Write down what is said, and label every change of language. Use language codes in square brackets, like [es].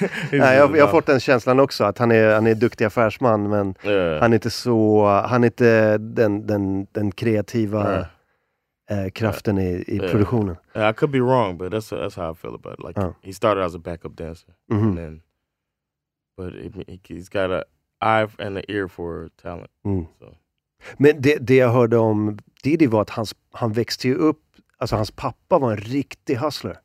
[sv] jag har fått den känslan också att han är duktig affärsman, men han är inte den kreativa kraften i produktionen. [en] I could be wrong, but that's how I feel about it. Like he started as a backup dancer, and then, but he's got an eye and an ear for talent. Mm. So. [sv] Men det jag hörde om Diddy var att han växte ju upp, alltså hans pappa var en riktig hustler.